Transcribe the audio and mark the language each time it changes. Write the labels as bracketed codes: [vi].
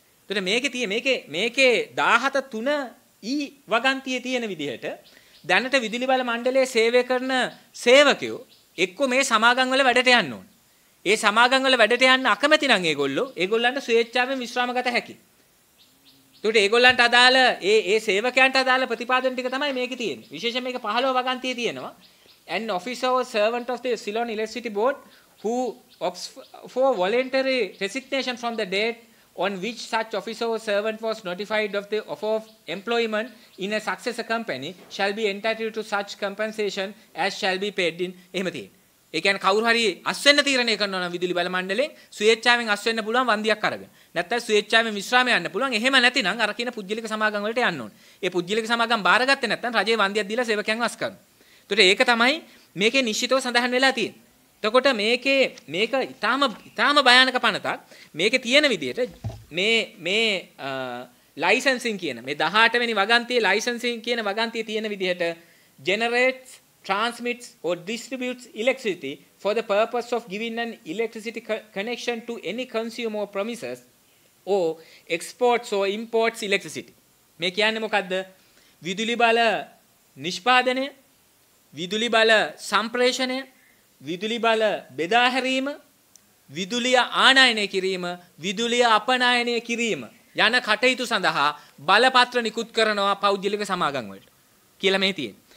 [si] එතන මේකේ තියෙ මේකේ 17.3 ඊ වගන්තියේ තියෙන විදිහට දැනට විදුලි බල මණ්ඩලයේ සේවය කරන සේවකයෝ එක්කෝ මේ සමාගම් වල වැඩට යන්න ඕන. ඒ සමාගම් වල වැඩට යන්න අකමැති නම් ඒගොල්ලන්ට ස්වේච්ඡාවෙන් විශ්‍රාම ගත හැකියි. එතකොට ඒගොල්ලන්ට අදාළ ඒ සේවකයන්ට අදාළ ප්‍රතිපාදන ටික තමයි මේකේ තියෙන්නේ. විශේෂයෙන් මේක 15 වගන්තියේ තියෙනවා. [en] An officer or servant of the Ceylon Electricity Board who opts for voluntary resignation from the date on which such officer or servant was notified of the offer of employment in a successor company shall be entitled to such compensation as shall be paid in [si] එහෙමති. ඒ කියන්නේ කවුරු හරි අස්වැන්න තීරණය කරනවා නම් විදුලි බල මණ්ඩලයෙන් ස්වේච්ඡාවෙන් අස්වැන්න පුළුවන් වන්දියක් අරගෙන. නැත්නම් ස්වේච්ඡාවෙන් විශ්‍රාම යන්න පුළුවන්. එහෙම නැතිනම් අර කියන පුජ්‍යලික සමාගම් වලට යන්න ඕනේ. ඒ පුජ්‍යලික සමාගම් බාරගත්තේ නැත්නම් රජයේ වන්දියක් දීලා සේවකයන් වස් කරනවා. එතකොට ඒක තමයි මේකේ නිශ්චිතව සඳහන් වෙලා තියෙන්නේ. එතකොට මේක ඊටාම භයානක පනතක්. මේකේ තියෙන විදිහට මේ ලයිසන්සින් කියන මේ 18 වෙනි වගන්තියේ ලයිසන්සින් කියන වගන්තිය තියෙන විදිහට [en] generates, transmits or distributes electricity for the purpose of giving an electricity connection to any consumer or premises or exports or imports electricity. [si] මේ කියන්නේ මොකද්ද? විදුලි බල නිෂ්පාදනය, විදුලි බල සම්ප්‍රේෂණය, විදුලි බල බෙදාහැරීම, විදුලිය ආනයනය කිරීම, විදුලිය අපනයනය කිරීම යන කටයුතු සඳහා බලපත්‍ර නිකුත් කරනවා පෞද්ගලික සමාගම් වලට කියලා මේ තියෙන්නේ.